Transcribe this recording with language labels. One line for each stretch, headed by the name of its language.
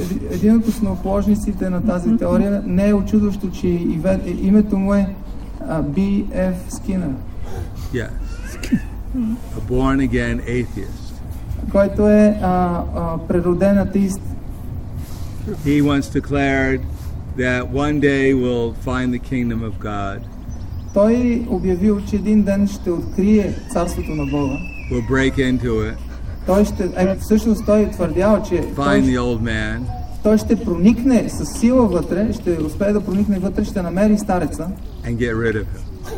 Bulgarian: Един от основоположниците на тази теория, не е очудващо, че името му е B.F. Skinner.
English: Yes. A born again atheist.
Bulgarian: Който е прероден атеист.
English: He once declared that one day we'll find the kingdom of God.
Bulgarian: Той обявил, че един ден ще открие царството на Бога.
English: We'll break into it.
Bulgarian: Той ще, всъщност той твърдял, че
English: find the old man.
Bulgarian: Той ще проникне със сила вътре, ще успее да проникне вътре, ще намери стареца.
English: And get rid of him.